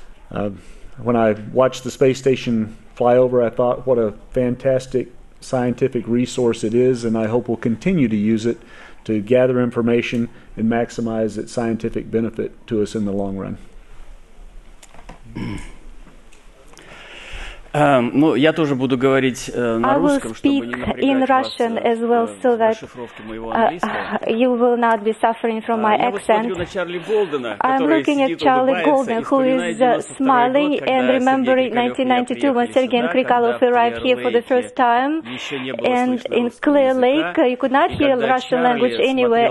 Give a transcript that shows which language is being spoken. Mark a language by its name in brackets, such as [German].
[English] When I watched the space station fly over, I thought, what a fantastic scientific resource it is, and I hope we'll continue to use it to gather information and maximize its scientific benefit to us in the long run. [Russian] Ну, я тоже буду говорить на русском, чтобы не напрягать вас. [English] I will speak in Russian as well, so that you will not be suffering from my accent. I'm looking at Charlie Golden, who is smiling and remembering 1992 when Sergei and Krikalov arrived here for the first time, and in Clear Lake you could not hear Russian language anywhere.